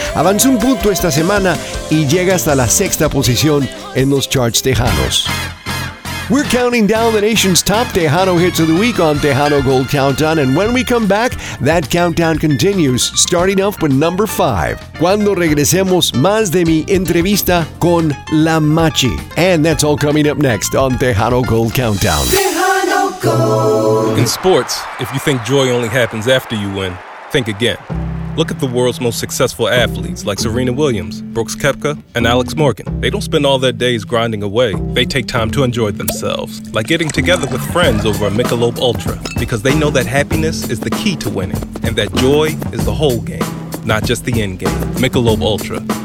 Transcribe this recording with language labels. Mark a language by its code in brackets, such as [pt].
[es] Avanza un punto esta semana y llega hasta la sexta posición en los charts tejanos. [en] We're counting down the nation's top Tejano hits of the week on Tejano Gold Countdown. And when we come back, that countdown continues, starting off with number 5. [es] Cuando regresemos, más de mi entrevista con La Machi. [en] And that's all coming up next on Tejano Gold Countdown. In sports, if you think joy only happens after you win, think again. Look at the world's most successful athletes like Serena Williams, Brooks Koepka, and Alex Morgan. They don't spend all their days grinding away. They take time to enjoy themselves, like getting together with friends over a Michelob Ultra, because they know that happiness is the key to winning and that joy is the whole game, not just the end game. Michelob Ultra.